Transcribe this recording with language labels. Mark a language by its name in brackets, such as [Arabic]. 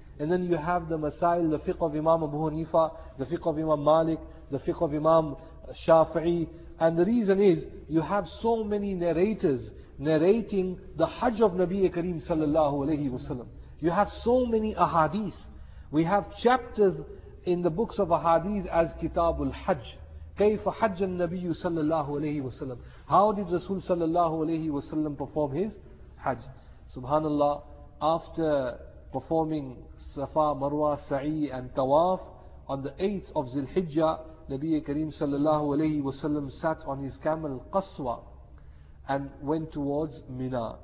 [English] And then you have the masail, the fiqh of Imam Abu Hanifa, the fiqh of Imam Malik, the fiqh of Imam Shafi'i. And the reason is, you have so many narrators narrating the Hajj of Nabi Kareem sallallahu alayhi wasallam. You have so many ahadith. We have chapters in the books of ahadith as Kitabul Hajj. [Arabic] كيف حج النبي صلى الله عليه وسلم. [English] How did Rasul [Arabic] صلى الله عليه وسلم [English] perform his Hajj? Subhanallah, after performing Safa, Marwa, Sa'i and Tawaf, on the 8th of Zilhijjah, Nabi Kareem [Arabic] صلى الله عليه وسلم [English] sat on his camel Qaswa and went towards Mina.